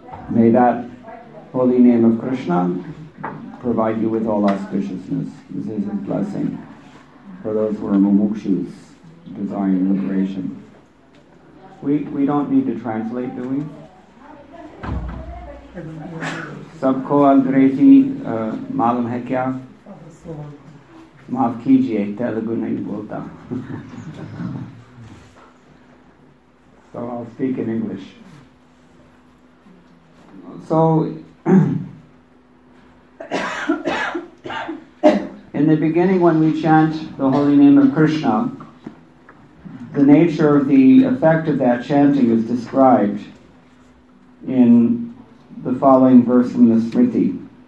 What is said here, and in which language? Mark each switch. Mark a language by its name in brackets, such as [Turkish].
[English] May that holy name of Krishna provide you with all auspiciousness. This is a blessing for those who are mumukshus, desiring liberation. We don't need to translate, do we? [Hindi] सबको अंग्रेज़ी मालूम है क्या? माफ़ कीजिये, Telugu नहीं बोलता। [English] So I'll speak in English. So, in the beginning when we chant the holy name of Krishna, the nature of the effect of that chanting is described in the following verse from the Smriti.